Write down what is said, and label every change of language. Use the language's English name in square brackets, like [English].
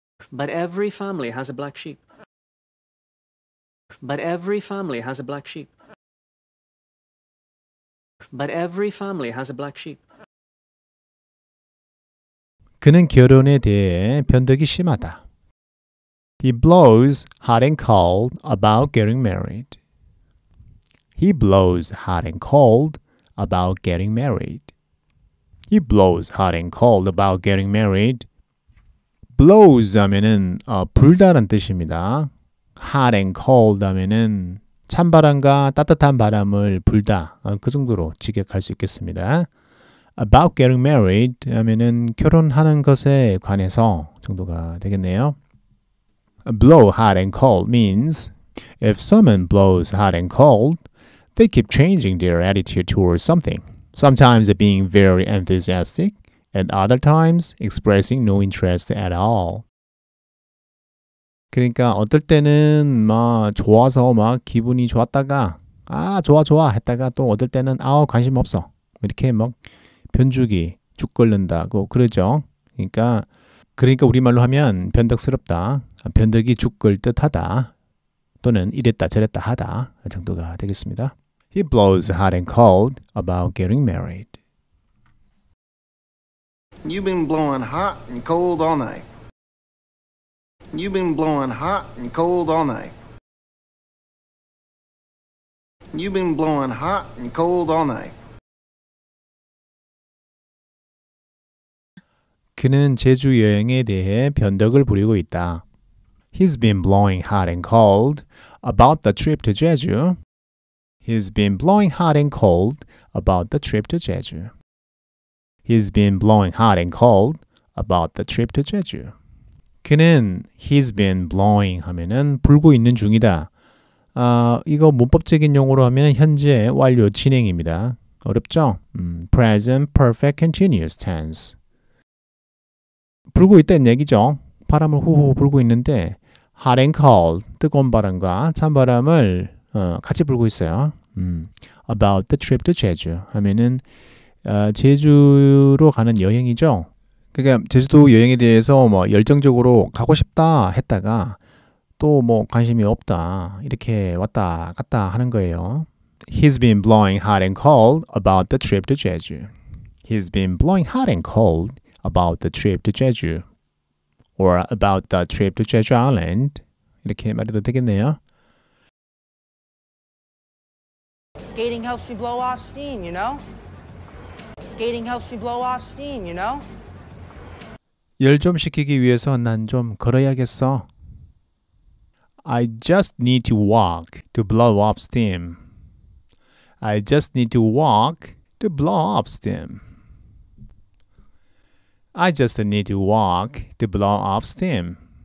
[English] But every family has a black sheep. But every family has a black sheep. But every family has a black sheep. [Korean] 그는 결혼에 대해 변덕이 심하다. [English] He blows hot and cold about getting married. He blows hot and cold about getting married. He blows hot and cold about getting married. [Korean] Blows 하면은 불다란 뜻입니다. Hot and cold 하면은 찬바람과 따뜻한 바람을 불다. 그 정도로 직역할 수 있겠습니다. [English] About getting married [Korean] 하면은 결혼하는 것에 관해서 정도가 되겠네요. [English] Blow hot and cold means if someone blows hot and cold, they keep changing their attitude towards something, sometimes being very enthusiastic, and other times expressing no interest at all. [Korean] 그러니까 어떨 때는 막 좋아서 막 기분이 좋았다가 아 좋아 좋아 했다가 또 어떨 때는 아 관심 없어 이렇게 막 변죽이 죽 걸린다고 그러죠. 그러니까 우리말로 하면 변덕스럽다, 변덕이 죽 걸 듯하다 또는 이랬다 저랬다 하다 정도가 되겠습니다. [English] He blows hot and cold about getting married. You've been blowing hot and cold all night. You've been blowing hot and cold all night. You've been blowing hot and cold all night. [Korean] 그는 제주 여행에 대해 변덕을 부리고 있다. [English] He's been blowing hot and cold about the trip to Jeju. He's been blowing hot and cold about the trip to Jeju. He's been blowing hot and cold about the trip to Jeju. [Korean] 그는 [English] he's been blowing [Korean] 하면은 불고 있는 중이다. 이거 문법적인 용어로 하면은 현재 완료 진행입니다. 어렵죠? [English] Present perfect continuous tense. [Korean] 불고 있다는 얘기죠. 바람을 후후 불고 있는데 hot and cold 뜨거운 바람과 찬 바람을 같이 불고 있어요. [English] About the trip to Jeju [Korean] 하면은 제주로 가는 여행이죠. 그러니까 제주도 여행에 대해서 뭐 열정적으로 가고 싶다 했다가 또 뭐 관심이 없다 이렇게 왔다 갔다 하는 거예요. [English] He's been blowing hot and cold about the trip to Jeju. He's been blowing hot and cold about the trip to Jeju. Or about the trip to Jeju Island. [Korean] 이렇게 말해도 되겠네요. [English] Skating helps you blow off steam, you know? Skating helps you blow off steam, you know? [Korean] 열 좀 식히기 위해서 난 좀 걸어야겠어. [English] I just need to walk to blow off steam. I just need to walk to blow off steam. I just need to walk to blow off steam.